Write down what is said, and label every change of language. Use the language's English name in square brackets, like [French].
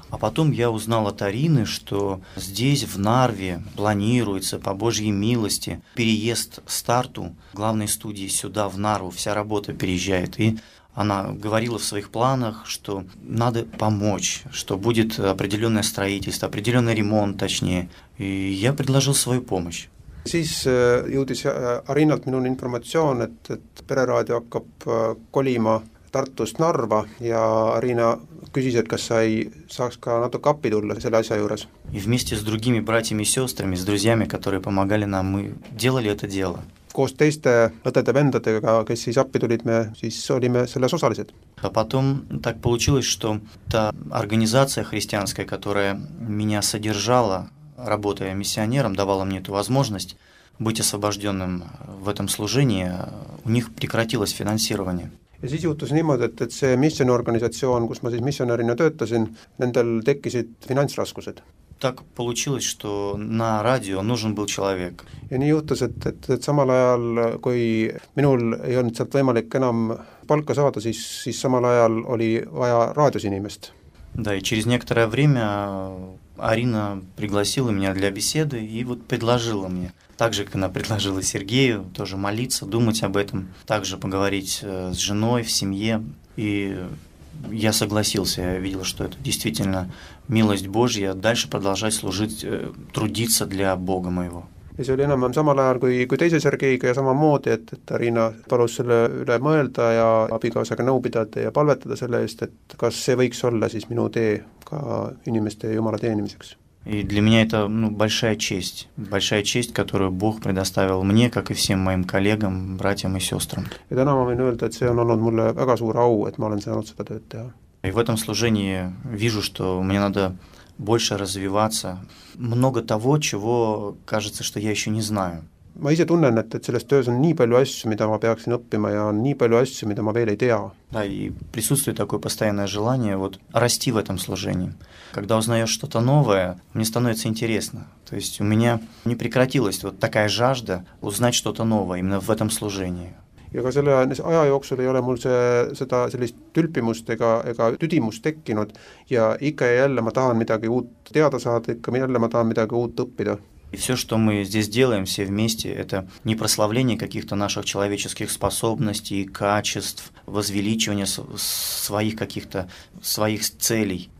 [Russian] А потом я узнал от Арины, что здесь, в Нарве, планируется по Божьей милости переезд старту главной студии сюда, в Нарву. Вся работа переезжает. И она говорила в своих планах, что надо помочь, что будет определенное строительство, определенный ремонт, точнее. И я предложил свою помощь. [Estonian] Siis jõudis Arinalt minul informatsioon, et pereraadio hakkab kolima Tartust Narva ja Arina küsis, et kas sa ei saaks ka natuke appi tulla selle asja juures. [Russian] И вместе с другими братьями и сестрами, с друзьями, которые помогали нам, мы делали это дело. [Estonian] Koos teiste õdede vendadega, kes siis appi tulid, me siis olime selles osalised. [Russian] А потом так получилось, что та организация христианская, которая меня содержала, работая миссионером, давала мне эту возможность быть освобожденным в этом служении, у них прекратилось финансирование. [Estonian] Ja siis juhtus niimoodi, et see missioni organisatsioon, kus ma siis missionärina töötasin, nendel tekkisid finansraskused. [Russian] Так получилось, что на радио нужен был человек. [Estonian] Ja nii juhtus, et samal ajal, kui minul ei olnud sealt võimalik enam palka saada, siis samal ajal oli vaja raadios inimest. [Russian] Да, и через некоторое время Арина пригласила меня для беседы и вот предложила мне. Также, как она предложила Сергею, тоже молиться, думать об этом, также поговорить с женой, в семье. И я согласился, я видел, что это действительно милость Божья, дальше продолжать служить, трудиться для Бога моего. [Estonian] Ja see oli enam samal ajal kui teise Sergeiga ja samamoodi, et Arina palus selle üle mõelda ja abikaasaga nõu pidada ja palvetada selle eest, et kas see võiks olla siis minu tee ka inimeste ja Jumala teenimiseks. [Russian] И для меня это большая честь, которую Бог предоставил мне, как и всем моим коллегам, братьям и сестрам. [Estonian] Ja täna ma võin öelda, et see on olnud mulle väga suur au, et ma olen saanud seda tööd teha. [Russian] И в этом служении вижу, что мне надо больше развиваться. Много того, чего кажется, что я еще не знаю. [Estonian] Ma ise tunnen, et selles töös on nii palju asju, mida ma peaksin õppima ja on nii palju asju, mida ma veel ei tea. [Russian] Да, и присутствует такое постоянное желание вот расти в этом служении. Когда узнаешь что-то новое, мне становится интересно. То есть у меня не прекратилась вот такая жажда узнать что-то новое именно в этом служении. [Estonian] Ja ka selle aja jooksul ei ole mul seda sellist tülpimust ega tüdimust tekkinud ja ikka ja jälle ma tahan midagi uut teada saada, ikka jälle ma tahan midagi uut õppida. [Russian] И все, что мы здесь делаем все вместе, это не прославление каких-то наших человеческих способностей и качеств, возвеличивание своих каких-то, своих целей.